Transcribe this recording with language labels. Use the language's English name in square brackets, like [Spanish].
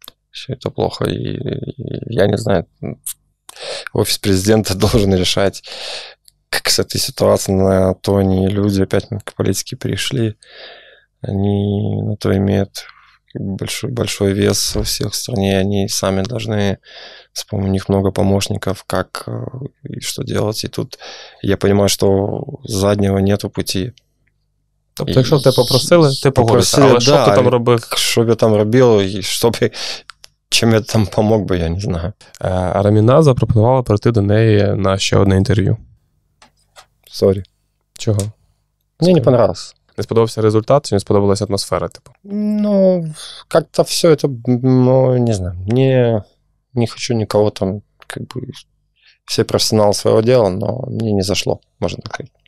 [Russian] Все это плохо, и я не знаю, офис президента должен решать, как с этой ситуацией на то они люди, опять к политике пришли, они на то имеют большой вес во всех стране, они сами должны, у них много помощников, как и что делать, и тут я понимаю, что заднего нету пути. [Ukrainian] Тобто, якщо тебе попросили, ти погодився, але да, що ти там робив? Що б я там робив, і що б... [Russian] Чим я там помог би, я не знаю. [Ukrainian] Раміна запропонувала прийти до неї на ще одне інтерв'ю. Сорі. Чого? Мені не понравилось. Не сподобався результат, чи не сподобалася атмосфера, типу? Ну, як-то все це, ну, не знаю. Мені не хочу нікого там, як би, всі професіонали свого діла, але мені не зайшло, можна так сказати.